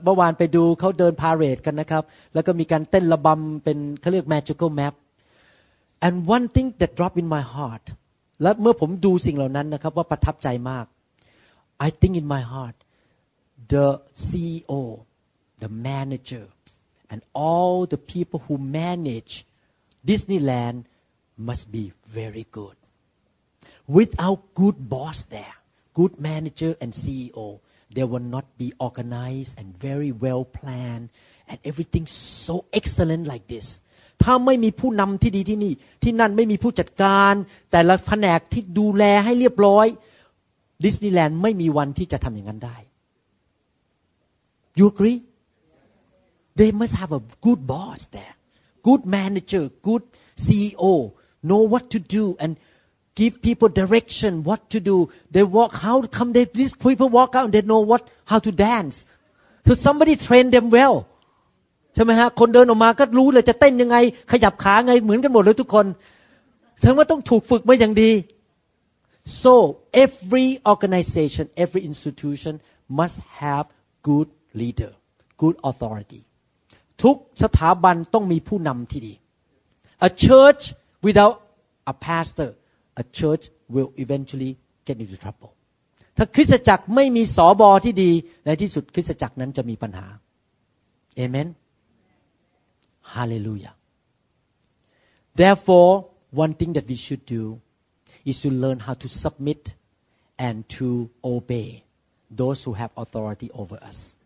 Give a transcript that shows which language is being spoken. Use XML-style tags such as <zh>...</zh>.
<th>เมื่อวานไปดูเขาเดินพาเหรดกันนะครับแล้วก็มีการเต้นระบำเป็นเขาเรียก magical map.</th> <en>And one thing that dropped in my heart.</en> <th>และเมื่อผมดูสิ่งเหล่านั้นนะครับว่าประทับใจมาก</th> <en>I think in my heart, the CEO, the manager, and all the people who manage Disneyland must be very good. Without good boss there, good manager and CEO. They will not be organized and very well planned and everything so excellent like this.</en> <th>ถ้าไม่มีผู้นำที่ดีที่นี่ที่นั่นไม่มีผู้จัดการแต่ละแผนกที่ดูแลให้เรียบร้อย Disneyland ไม่มีวันที่จะทำอย่างนั้นได้</th> <en>You agree? They must have a good boss there. Good manager, good CEO. Know what to do andGive people direction what to do. They walk. How come they? These people walk out and they know what how to dance. So somebody train them well.</en> <th>ใช่ไหมฮะคนเดินออกมาก็รู้เลยจะเต้นยังไงขยับขาไงเหมือนกันหมดเลยทุกคนแสดงว่าต้องถูกฝึกมาอย่างดี</th> <en>So every organization, every institution must have good leader, good authority.</en> <th>ทุกสถาบันต้องมีผู้นำที่ดี</th> <en>A church without a pastor. A church will eventually get into trouble.</en> <th>ถ้าคริสตจักรไม่มีสบอที่ดีในที่สุดคริสตจักรนั้นจะมีปัญหา Amen.</th> <en>Hallelujah. Therefore, one thing that we should do is to learn how to submit and to obey those who have authority over us.</en>